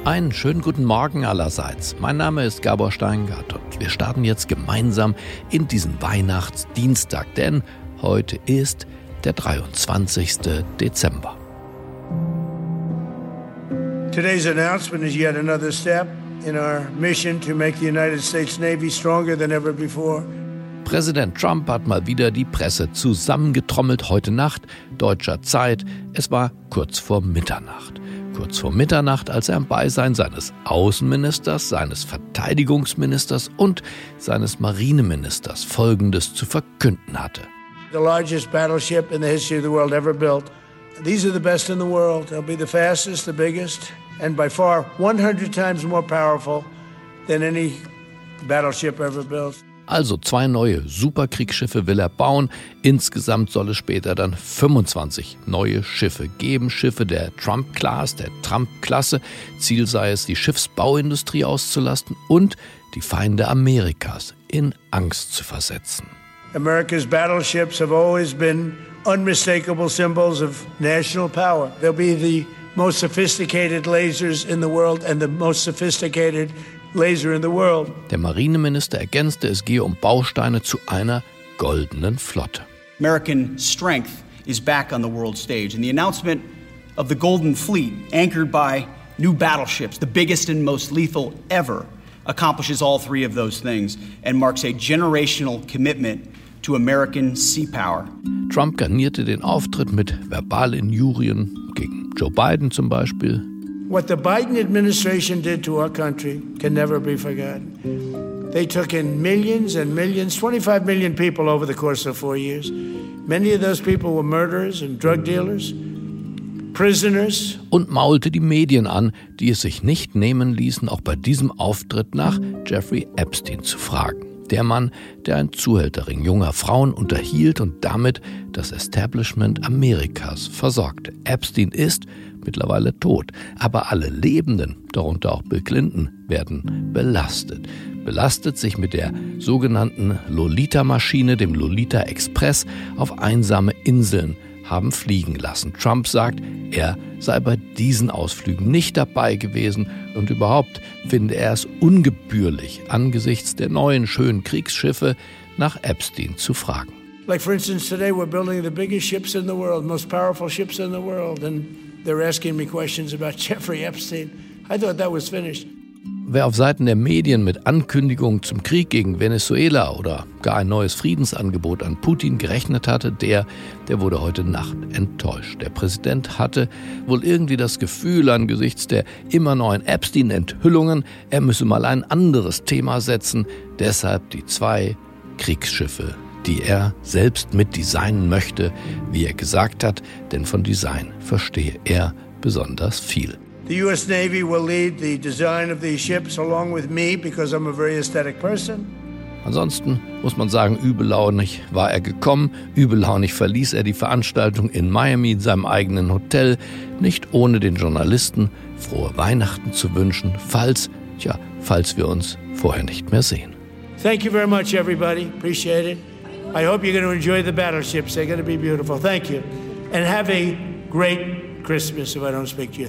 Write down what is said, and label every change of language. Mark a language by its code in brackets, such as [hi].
[de] Einen schönen guten Morgen allerseits. Mein Name ist Gabor Steingart und wir starten jetzt gemeinsam in diesen Weihnachtsdienstag, denn heute ist der 23. Dezember. [en] Today's announcement is yet another step in our mission to make the United States Navy stronger than ever before. [de] Präsident Trump hat mal wieder die Presse zusammengetrommelt heute Nacht, deutscher Zeit. Es war kurz vor Mitternacht. Kurz vor Mitternacht, als er im Beisein seines Außenministers, seines Verteidigungsministers und seines Marineministers Folgendes zu verkünden hatte. [en] The largest battleship in the history of the world ever built. These are the best in the world. They'll be the fastest, the biggest and by far 100 times more powerful than any battleship ever built. [de] Also zwei neue Superkriegsschiffe will er bauen. Insgesamt soll es später dann 25 neue Schiffe geben. Schiffe der Trump-Class, der Trump-Klasse. Ziel sei es, die Schiffsbauindustrie auszulasten und die Feinde Amerikas in Angst zu versetzen. [en] America's battleships have always been unmistakable symbols of national power. They'll be the most sophisticated lasers in the world and the most sophisticated laser in the world. [de] Der Marineminister ergänzte, es gehe um Bausteine zu einer goldenen Flotte. [en] American strength is back on the world stage. And the announcement of the Golden Fleet, anchored by new battleships, the biggest and most lethal ever, accomplishes all three of those things and marks a generational commitment to American sea power. [de] Trump garnierte den Auftritt mit verbalen Injurien gegen Joe Biden zum Beispiel. [en] What the Biden administration did to our country can never be forgotten. They took in millions and millions, 25 million people over the course of 4 years. Many of those people were murderers and drug dealers, prisoners. [de] Und maulte die Medien an, die es sich nicht nehmen ließen, auch bei diesem Auftritt nach Jeffrey Epstein zu fragen. Der Mann, der ein Zuhälterring junger Frauen unterhielt und damit das Establishment Amerikas versorgte. Epstein ist mittlerweile tot. Aber alle Lebenden, darunter auch Bill Clinton, werden belastet. Belastet sich mit der sogenannten Lolita-Maschine, dem Lolita-Express, auf einsame Inseln haben fliegen lassen. Trump sagt, er sei bei diesen Ausflügen nicht dabei gewesen und überhaupt finde er es ungebührlich, angesichts der neuen schönen Kriegsschiffe nach Epstein zu fragen. [en] Like for instance, today we're building the biggest ships in the world, most powerful ships in the world, and they're asking me questions about Jeffrey Epstein. I thought that was finished. [de] Wer auf Seiten der Medien mit Ankündigungen zum Krieg gegen Venezuela oder gar ein neues Friedensangebot an Putin gerechnet hatte, der wurde heute Nacht enttäuscht. Der Präsident hatte wohl irgendwie das Gefühl, angesichts der immer neuen Epstein-Enthüllungen, er müsse mal ein anderes Thema setzen. Deshalb die zwei Kriegsschiffe, die er selbst mitdesignen möchte, wie er gesagt hat, denn von Design verstehe er besonders viel. [en] The U.S. Navy will lead the design of these ships along with me because I'm a very aesthetic person. [de] Ansonsten muss man sagen, übellaunig war er gekommen. Übellaunig verließ er die Veranstaltung in Miami in seinem eigenen Hotel. Nicht ohne den Journalisten frohe Weihnachten zu wünschen, falls wir uns vorher nicht mehr sehen. [en] Thank you very much, everybody. Appreciate it. I hope you're going to enjoy the battleships. They're going to be beautiful. Thank you. And have a great Christmas, if I don't speak to you.